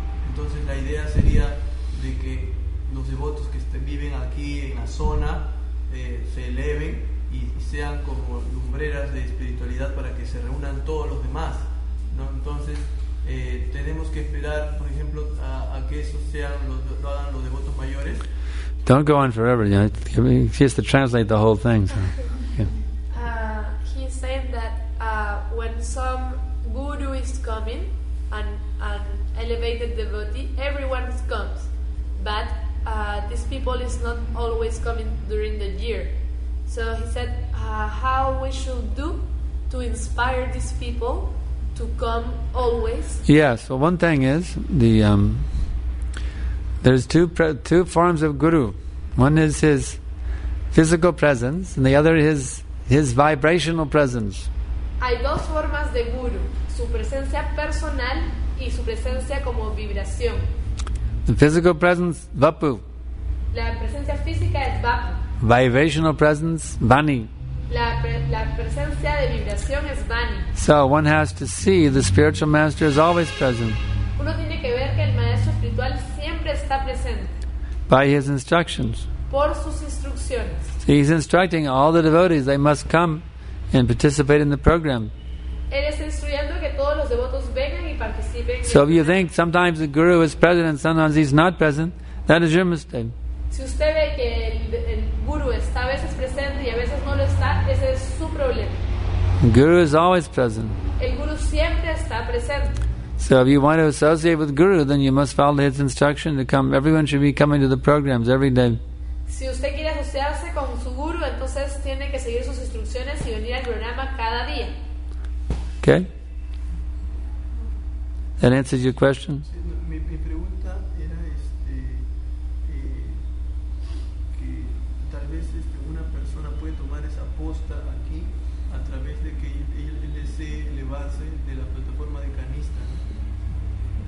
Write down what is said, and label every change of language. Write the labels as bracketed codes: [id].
[es] Entonces la idea sería de que los devotos que viven aquí en la zona se eleven y sean como lumbreras de espiritualidad para que se reúnan todos los demás, ¿no? Entonces tenemos que esperar, por ejemplo, a que eso sean lo hagan los devotos mayores. [en] Don't go on forever, you know, she has to translate the whole thing. So. Yeah. He said that when some guru is coming and elevated devotee, everyone comes, but these people is not always coming during the year. So he said, how we should do to inspire these people to come always? Yes. Well, one thing is the there's two forms of guru. One is his physical presence, and the other is his vibrational presence. [es] Hay dos formas de guru: su presencia personal y su presencia como vibración. [en] The physical presence, vapu. [es] La presencia física es vapu. [en] Vibrational presence, vani. [es] La presencia de vibración es vani. [en] So one has to see the spiritual master is always present. [es] Uno tiene que ver que el maestro espiritual siempre está presente. [en] By his instructions. [es] Por sus instrucciones. [en] So he's instructing all the devotees, they must come and participate in the program. [es] Él está instruyendo que todos los devotos vengan y participen. [en] So if you think sometimes the guru is present and sometimes he's not present, that is your mistake. [es] Si usted ve que el guru está a veces presente y a veces no lo está, ese es su problema. [en] Guru is always present. [es] El guru siempre está presente. [en] So if you want to associate with guru, then you must follow his instruction to come. Everyone should be coming to the programs every day. [es] Si usted quiere asociarse con su guru, entonces tiene que seguir sus instrucciones y venir al programa cada día. [en] Okay. That answers your question. [es] Mi pregunta era que tal vez una persona puede tomar esa posta aquí a través de que él desee elevarse de la plataforma de canista, ¿no?